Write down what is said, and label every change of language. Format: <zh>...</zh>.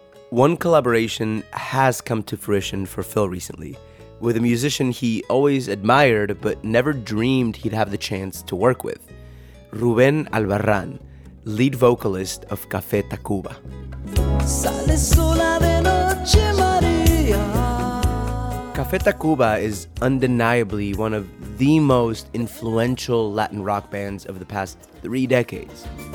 <en>One collaboration has come to fruition for Phil recently, with a musician he always admired but never dreamed he'd have the chance to work with, Rubén Albarrán, lead vocalist of Café Tacuba.</en> <es>Sale sola de noche, María.</es> <en>Café Tacuba is undeniably one of the most influential Latin rock bands of the past three decades.</en>